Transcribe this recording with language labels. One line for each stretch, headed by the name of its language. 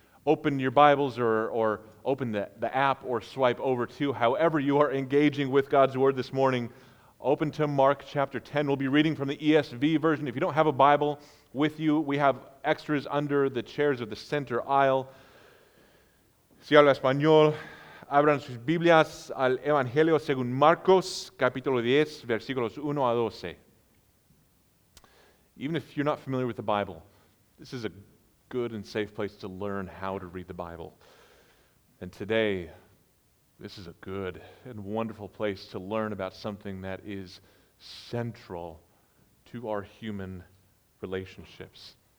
English: Open your Bibles or open the app or swipe over to however you are engaging with God's Word this morning. Open to Mark chapter 10. We'll be reading from the ESV version. If you don't have a Bible with you, we have extras under the chairs of the center aisle.
Spanish: Si habla español, abran sus Biblias al Evangelio según Marcos, capítulo 10, versículos 1 a 12.
English: Even if you're not familiar with the Bible, this is a good and safe place to learn how to read the Bible. And today, this is a good and wonderful place to learn about something that is central to our human relationships.